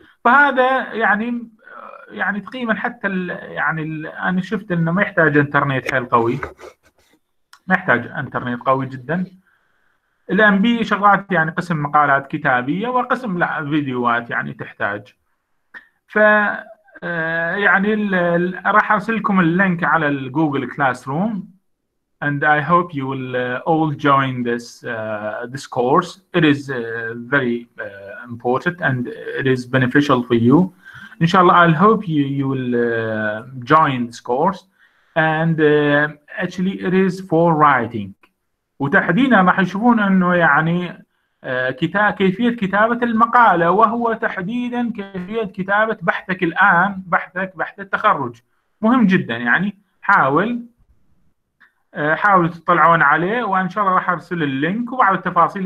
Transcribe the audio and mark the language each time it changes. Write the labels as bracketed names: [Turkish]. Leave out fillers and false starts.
[Arabic] فهذا يعني تقريبا حتى يعني أنا شفت إنه ما يحتاج إنترنت حيل قوي، ما يحتاج إنترنت قوي جدا. الام بي شغلات، يعني قسم مقالات كتابية وقسم لا فيديوهات يعني تحتاج. ف يعني راح ارسل لكم اللينك على الجوجل كلاس روم، [English] and I hope you will all join this this course. It is very important and it is beneficial for you. [Arabic] إن شاء الله [English] I'll hope you will join this course. And actually it is for writing. [Arabic] وتحديدا راح يشوفون انه يعني كيفية كتابة المقالة، وهو تحديدا كيفية كتابة بحثك الآن، بحثك بحث التخرج. مهم جدا، يعني حاولوا تطلعون عليه، وان شاء الله راح ارسل اللينك وبعض التفاصيل.